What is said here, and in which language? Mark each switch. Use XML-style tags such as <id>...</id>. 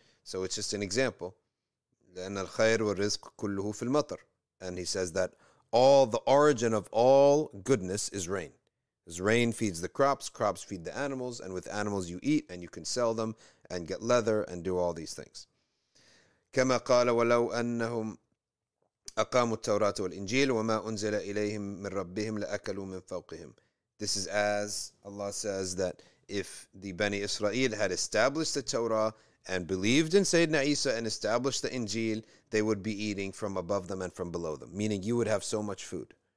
<en>So it's just an example.</en> <ar>لَأَنَّ الْخَيْرُ وَالرِزْقُ كُلُّهُ فِي الْمَطَرِ.</ar> <en>And he says that all the origin of all goodness is rain. Because rain feeds the crops, crops feed the animals, and with animals you eat and you can sell them and get leather and do all these things.</en> <ar>كما قال ولو أنهم أقاموا التوراة والإنجيل وما أنزل إليهم من ربهم لأكلوا من فوقهم.</ar> <en>This is as Allah says that if the Bani Israel had established the Torah and believed in Sayyidina Isa and established the Injil, they would be eating from above them and from below them. Meaning you would have so much food.</en>